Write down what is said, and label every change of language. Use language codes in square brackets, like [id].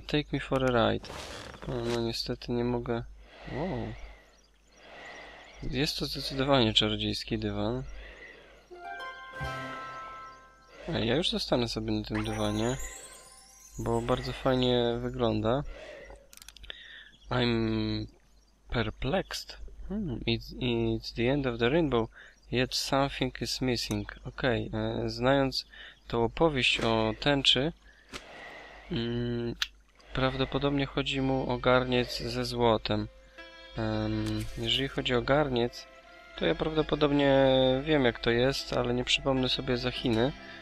[en] Take me for a ride. [pl] No niestety nie mogę... Wow. Jest to zdecydowanie czarodziejski dywan. Ja już zostanę sobie na tym dywanie. Bo bardzo fajnie wygląda. [en] I'm perplexed. It's the end of the rainbow. Yet something is missing. [pl] Okej, znając tą opowieść o tęczy, prawdopodobnie chodzi mu o garniec ze złotem. Jeżeli chodzi o garniec, to ja prawdopodobnie wiem, jak to jest, ale nie przypomnę sobie za Chiny.